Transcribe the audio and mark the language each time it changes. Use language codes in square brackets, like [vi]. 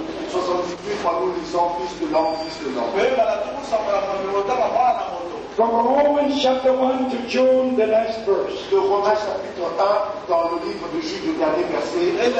[fr] 78 fois nous lisons fils de l'homme, fils de l'homme. [en] From Romans chapter 1 to June, the last verse. [fr] De Romains chapitre 1 dans le livre de Jude, le dernier verset.